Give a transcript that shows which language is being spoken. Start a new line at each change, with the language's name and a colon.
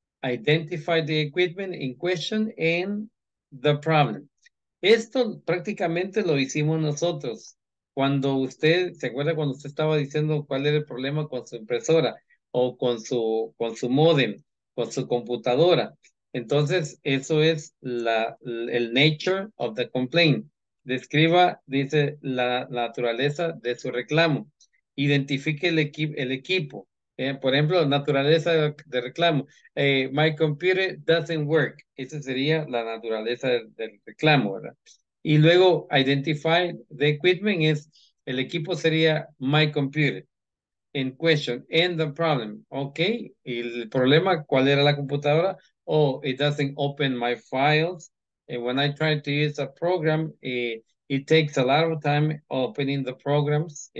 English: Identify the equipment in question and the problem.
Spanish: Esto prácticamente lo hicimos nosotros. Cuando usted, ¿se acuerda cuando usted estaba diciendo cuál era el problema con su impresora o con su módem, con su computadora? Entonces, eso es el
English: nature of the complaint.
Spanish: Describa, dice, la naturaleza de su reclamo. Identifique el equipo. Por ejemplo, naturaleza de reclamo.
English: My computer doesn't work.
Spanish: Esa sería la naturaleza del reclamo, ¿verdad? Y luego,
English: identify the equipment
Spanish: es, el equipo sería
English: my computer. In question, and the problem.
Spanish: Ok, y el problema, ¿cuál era la computadora?
English: Oh, it doesn't open my files. And when I try to use a program, it takes a lot of time opening the programs.